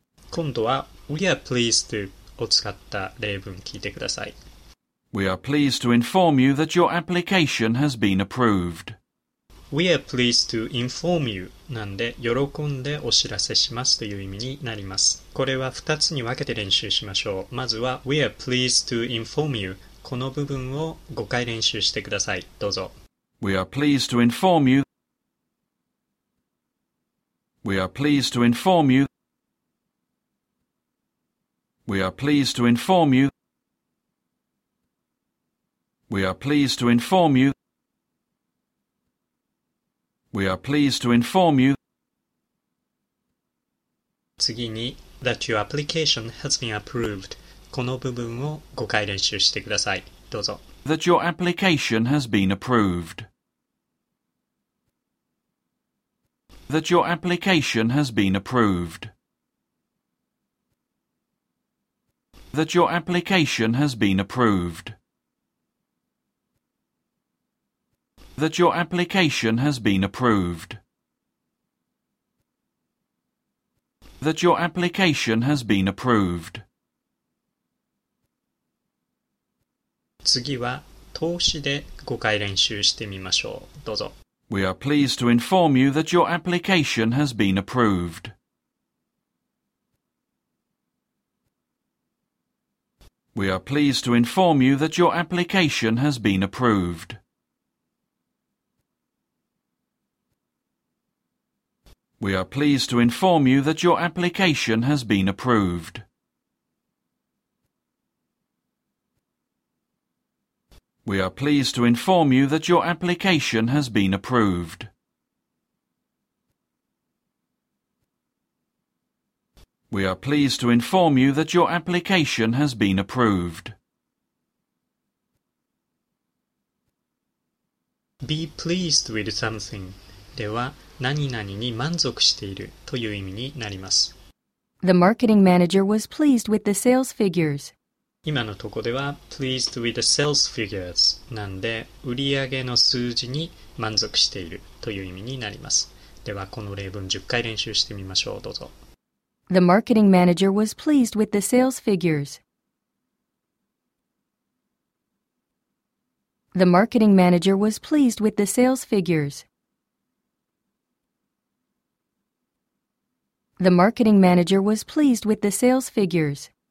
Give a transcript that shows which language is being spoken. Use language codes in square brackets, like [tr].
[ja] 今度は [en] We are pleased to [ja] を使った例文聞いてください。 [en] We are pleased to inform you that your application has been approved. We are pleased to inform you [ja] なんで喜んでお知らせしますという意味になります。これは2つに分けて練習しましょう。まずは [en] We are pleased to inform you [ja] この部分を5回練習してください。どうぞ。 [en] We are pleased to inform you. We are pleased to inform you. We are pleased to inform you. We are pleased to inform you. We are pleased to inform you. [ja] 次に [en] That your application has been approved. [ja] この部分を5回練習してください。どうぞ。 [en] That your application has been approved. That your application has been approved. That your application has been approved. That your application has been approved. That your application has been approved. [ja] 次は通しで5回練習してみましょう。どうぞ。 [en] We are pleased to inform you that your application has been approved. We are pleased to inform you that your application has been approved. We are pleased to inform you that your application has been approved. We are pleased to inform you that your application has been approved. We are pleased to inform you that your application has been approved. Be pleased with something [ja] では何々に満足しているという意味になります。 [en] The marketing manager was pleased with the sales figures. [ja] 今のところでは [en] pleased with the sales figures [ja] なんで売上の数字に満足しているという意味になります。ではこの例文10回練習してみましょう。どうぞ。 [en] The marketing manager was pleased with the sales figures. The marketing manager was pleased with the sales figures. The marketing manager was pleased with the sales figures.